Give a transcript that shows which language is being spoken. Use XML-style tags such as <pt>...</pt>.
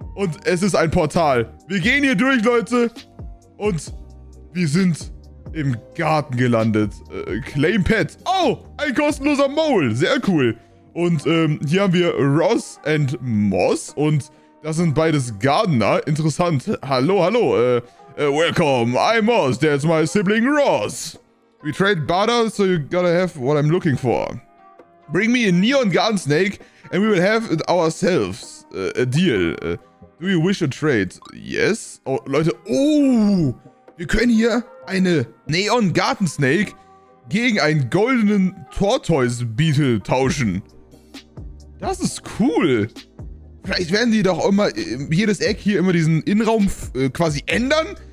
<de>Und es ist ein Portal. Wir gehen hier durch, Leute. Und wir sind im Garten gelandet. Claim Pet. Oh, ein kostenloser Maul. Sehr cool. Und hier haben wir Ross and Moss. Und das sind beides Gardener. Interessant. Hallo, hallo.</de> <en>Welcome, I'm Moss, that's my sibling Ross. We trade barter, so you gotta have what I'm looking for. Bring me a neon garden snake, and we will have it ourselves. A deal. Do you wish a trade? Yes?</en> <de>Oh, Leute, oh! Wir können hier eine neon garden snake gegen einen goldenen Tortoise Beetle tauschen. Das ist cool. Vielleicht werden die doch immer jedes Eck hier immer diesen Innenraum quasi ändern.</de>